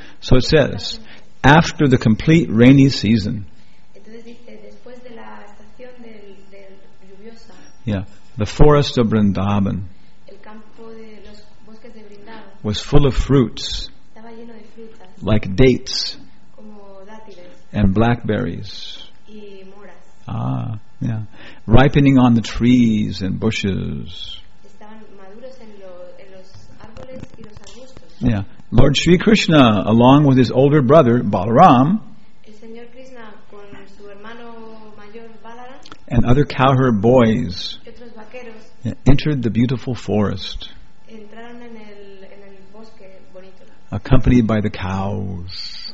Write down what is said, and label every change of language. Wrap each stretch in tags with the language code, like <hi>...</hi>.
<en>So it says, after the complete rainy season.</en> <es>Entonces dice, después de la estación del lluviosa.</es> <en>Yeah. The forest of Vrindavan.</en> <es>El campo de los bosques de Vrindavan.</es> <en>Was full of fruits.</en> <es>Estaba lleno de frutas.</es> <en>Like dates.</en> <es>Como dátiles.</es> <en>And blackberries.</en> <es>Y moras.</es> <en>Ah. Yeah. Ripening on the trees and bushes.</en> <es>Estaban maduros en los árboles y los arbustos.</es> <en>Yeah. Lord Sri Krishna, along with his older brother, Balaram,</en> <es>el Señor Krishna, con su hermano mayor, Balaram,</es> <en>and other cowherd boys,</en> <es>y otros vaqueros,</es> <en>entered the beautiful forest,</en> <es>entraron en el bosque bonito,</es> <en>accompanied by the cows,</en>